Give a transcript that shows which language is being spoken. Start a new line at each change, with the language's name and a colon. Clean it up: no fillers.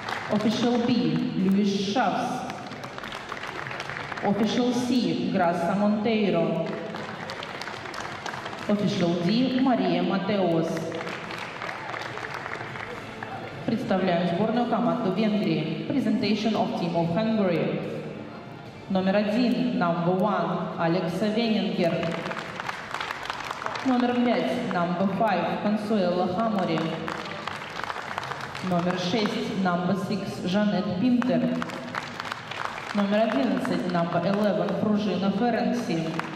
English: Official B, Льюис Шафс. Official C, Grasa Monteiro. Official D, Мария Матеос.
Russian: Представляем сборную команду Венгрии.
English: Presentation of team of Hungary.
Russian: Номер один,
English: number one,
Russian: Алекса Венингер. Номер пять,
English: number five,
Russian: Консуэла Хамори. Номер шесть,
English: number six,
Russian: Жанет Пинтер. Номер 11,
English: number 11,
Russian: Пружина Ференси.